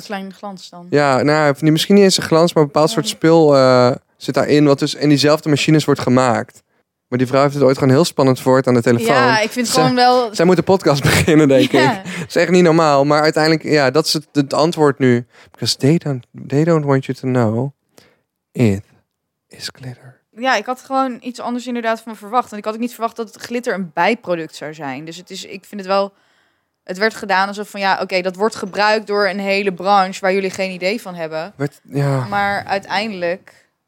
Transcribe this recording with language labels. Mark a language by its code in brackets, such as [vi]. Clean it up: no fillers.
[nl] is zo'n klein glans dan. Ja, nou, misschien niet eens een glans, maar een bepaald soort spul zit daarin, wat dus in diezelfde machines wordt gemaakt. Maar die vrouw heeft het ooit gewoon heel spannend verwoord aan de telefoon. Ja, ik vind het gewoon wel... Zij moet de podcast beginnen, denk ik. Dat is echt niet normaal, maar uiteindelijk, ja, dat is het antwoord nu. [en] Because they don't want you to know it. Is glitter. [nl] Ja, ik had gewoon iets anders inderdaad van me verwacht. En ik had ook niet verwacht dat het glitter een bijproduct zou zijn. Dus het is, ik vind het wel... Het werd gedaan alsof van ja, oké, dat wordt gebruikt door een hele branche waar jullie geen idee van hebben. Maar uiteindelijk...